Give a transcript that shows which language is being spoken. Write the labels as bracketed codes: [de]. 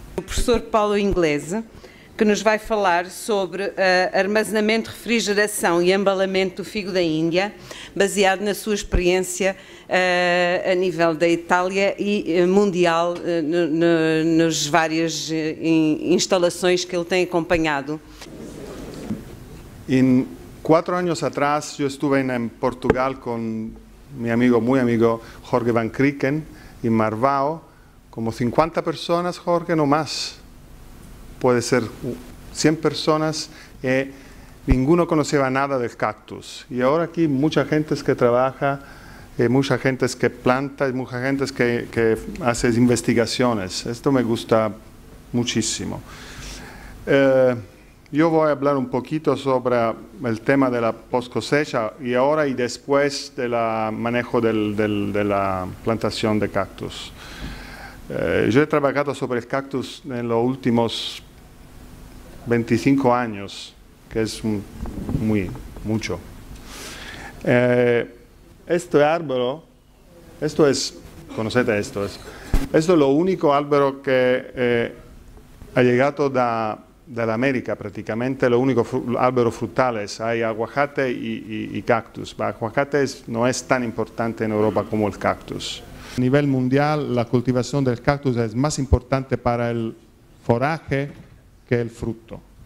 [pt] O professor Paulo Inglese, que nos vai falar sobre armazenamento, refrigeração e embalamento do figo da Índia, baseado na sua experiência a nível da Itália e mundial nas várias instalações que ele tem acompanhado. Em 4 anos atrás, eu estive em Portugal com meu amigo, muito amigo, Jorge Van Kriken, em Marvão, como 50 pessoas, Jorge, não mais. [es] Puede ser 100 personas, ninguno conocía nada del cactus. Y ahora aquí mucha gente que trabaja, mucha gente que planta, mucha gente que hace investigaciones. Esto me gusta muchísimo. Yo voy a hablar un poquito sobre el tema de la post cosecha y ahora y después del manejo de la plantación de cactus. Yo he trabajado sobre el cactus en los últimos 25 años, que es muy mucho. Este árbol, esto es, conoced esto es lo único árbol que ha llegado [it] dell'America praticamente, l'unico albero fruttale, hai aguacate e cactus, ma aguacate non è tan importante in Europa come il cactus. A livello mondiale la coltivazione del cactus è più importante per il foraggio che il frutto.